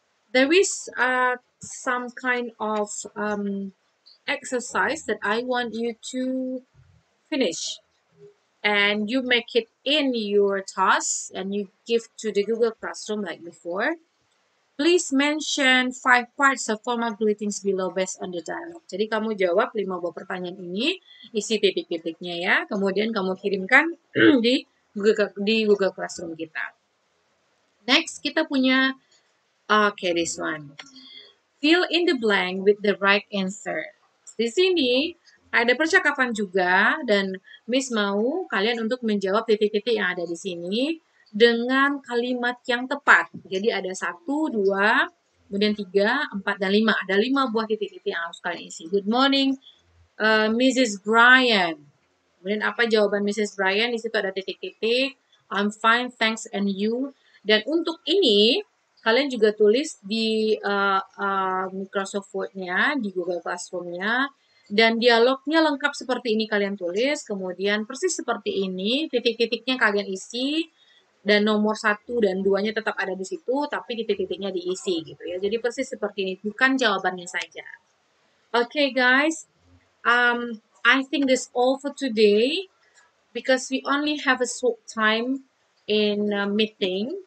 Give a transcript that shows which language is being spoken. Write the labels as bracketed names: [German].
[English] There is some kind of exercise that I want you to finish. And you make it in your task and you give to the Google Classroom like before. Please mention 5 parts of formal greetings below based on the dialogue. [Indonesian] Jadi kamu jawab 5 buah pertanyaan ini, isi titik-titiknya ya. Kemudian kamu kirimkan di Google Classroom kita. [English] Next, [Indonesian] kita punya... [English] Okay, this one. Fill in the blank with the right answer. [Indonesian] Di sini ada percakapan juga dan Miss mau kalian untuk menjawab titik-titik yang ada di sini dengan kalimat yang tepat. Jadi ada 1, 2, kemudian 3, 4, dan 5. Ada 5 buah titik-titik yang harus kalian isi. [English] "Good morning, Mrs. Brian." [Indonesian] Kemudian apa jawaban Mrs. Brian? Di situ ada titik-titik. [English] "I'm fine, thanks, and you." [Indonesian] Dan untuk ini... kalian juga tulis di Microsoft Word-nya, di Google Classroom-nya. Dan dialognya lengkap seperti ini kalian tulis. Kemudian persis seperti ini, titik-titiknya kalian isi. Dan nomor 1 dan 2-nya tetap ada di situ, tapi titik-titiknya diisi. Gitu ya. Jadi persis seperti ini, bukan jawabannya saja. [English] Okay guys, I think this all for today. Because we only have a short time in a meeting.